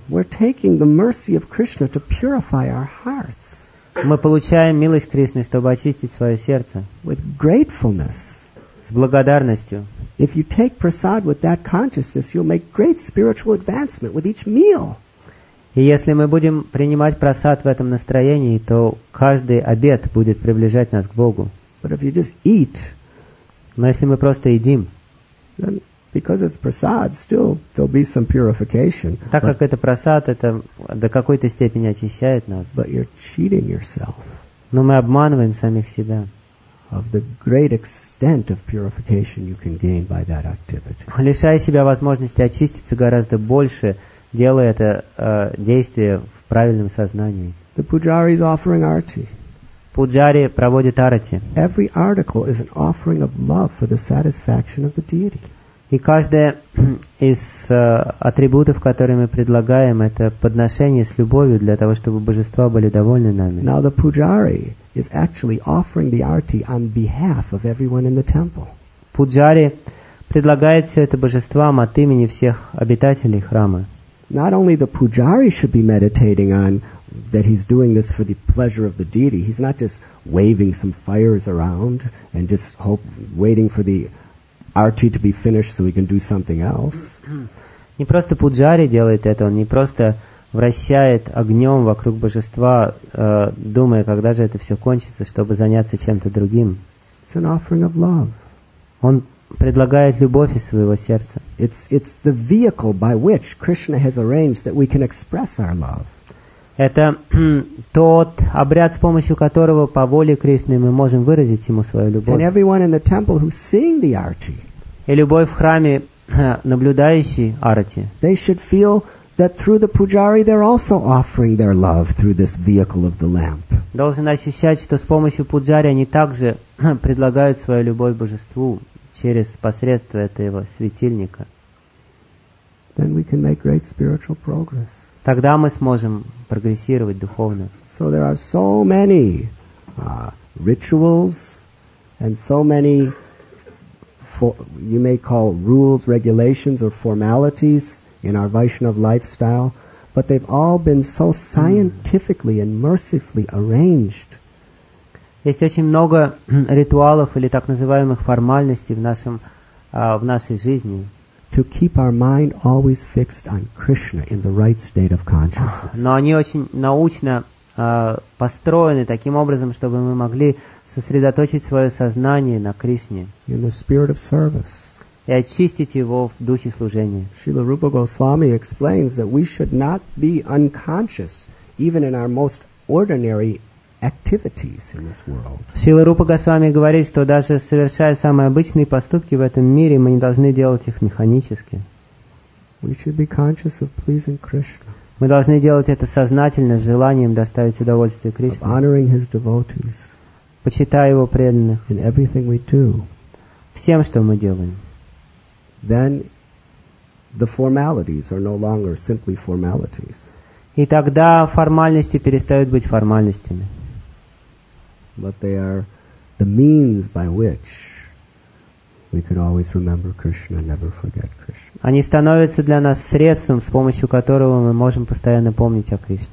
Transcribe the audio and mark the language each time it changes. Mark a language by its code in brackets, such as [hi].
[en] We're taking the mercy of Krishna to purify our hearts. [ru] Мы получаем милость Кришны, чтобы очистить свое сердце. [en] With gratefulness. [ru] С благодарностью. [en] If you take prasad with that consciousness, you'll make great spiritual advancement with each meal. [ru] И если мы будем принимать прасад в этом настроении, то каждый обед будет приближать нас к Богу. [en] But if you just eat, [ru] но если мы просто едим, [en] then because it's prasad, still there'll be some purification. [ru] Так как это прасад, это до какой-то степени очищает нас. [en] But you're cheating yourself. [ru] Но мы обманываем самих себя. [en] Of the great extent of purification you can gain by that activity. [ru] Лишая себя возможности очиститься гораздо больше, делая это действие в правильном сознании. [en] The pujari is offering arati. [ru] Пуджари проводит арати. [en] Every article is an offering of love for the satisfaction of the deity. [ru] И каждое из атрибутов, которые мы предлагаем, это подношение с любовью для того, чтобы божества были довольны нами. [en] Now the pujari is actually offering the arti on behalf of everyone in the temple. [ru] Пуджари предлагает все это божествам от имени всех обитателей храма. [en] Not only the pujari should be meditating on that he's doing this for the pleasure of the deity. He's not just waving some fires around and just hope, waiting for the arti to be finished so he can do something else. [ru] Не просто пуджари делает это, он не просто вращает огнем вокруг божества, думая, когда же это все кончится, чтобы заняться чем-то другим. [en] It's an offering of love. [ru] Он предлагает любовь из своего сердца. [en] It's the vehicle by which Krishna has arranged that we can express our love. [ru] Это тот обряд, с помощью которого по воле Кришны мы можем выразить ему свою любовь. [en] And everyone in the temple who's seeing the arti. [ru] И любой в храме наблюдающий арти. [en] They should feel that through the pujari they're also offering their love through this vehicle of the lamp. [ru] Должен ощущать, что с помощью пуджари они также предлагают свою любовь божеству через посредство этого светильника. [en] Then we can make great spiritual progress. [ru] Тогда мы сможем прогрессировать духовно. [en] So there are so many rituals and so many you may call rules, regulations or formalities in our Vaishnava lifestyle, but they've all been so scientifically and mercifully arranged. [ru] Есть очень много ритуалов или так называемых формальностей в нашей жизни. [en] To keep our mind always fixed on Krishna in the right state of consciousness. [ru] Но они очень научно построены таким образом, чтобы мы могли сосредоточить свое сознание на Кришне. [en] In the spirit of service. [ru] И очистить его в духе служения. [en] Srila Rupa Goswami explains that we should not be unconscious even in our most ordinary activities in this world. [ru] Srila Rupa Goswami говорит, что даже совершая самые обычные поступки в этом мире, мы не должны делать их механически. [en] We should be conscious of pleasing Krishna. [ru] Мы должны делать это сознательно, с желанием доставить удовольствие Кришне. [en] Honoring his devotees. [ru] Почитая его преданных. [en] In everything we do. [ru] Всем, что мы делаем. [en] Then the formalities are no longer simply formalities. [ru] И тогда формальности перестают быть формальностями. [en] But they are the means by which we can always remember Krishna, never forget Krishna. [ru] Они становятся для нас средством, с помощью которого мы можем постоянно помнить о Кришне.